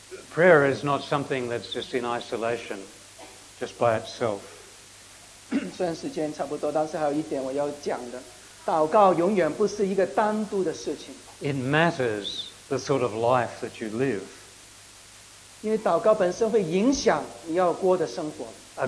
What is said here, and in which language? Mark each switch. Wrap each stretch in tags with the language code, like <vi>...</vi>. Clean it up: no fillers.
<en>Prayer is not something that's just in isolation, just by itself.</en> <zh>虽然时间差不多，但是还有一点我要讲的，祷告永远不是一个单独的事情。</zh> <en>It matters the sort of life that you live.</en> <zh>因为祷告本身会影响你要过的生活。</zh> <en>A</en>